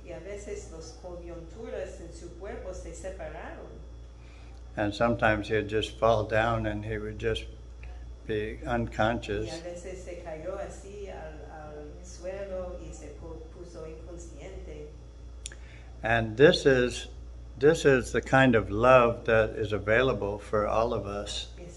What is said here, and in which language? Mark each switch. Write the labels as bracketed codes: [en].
[es] Y a veces los coyunturas en su cuerpo se separaron. [en] And sometimes he would just fall down and he would just be unconscious. [es] Y a veces se cayó así al suelo y se puso inconsciente. [en] And this is the kind of love that is available for all of us.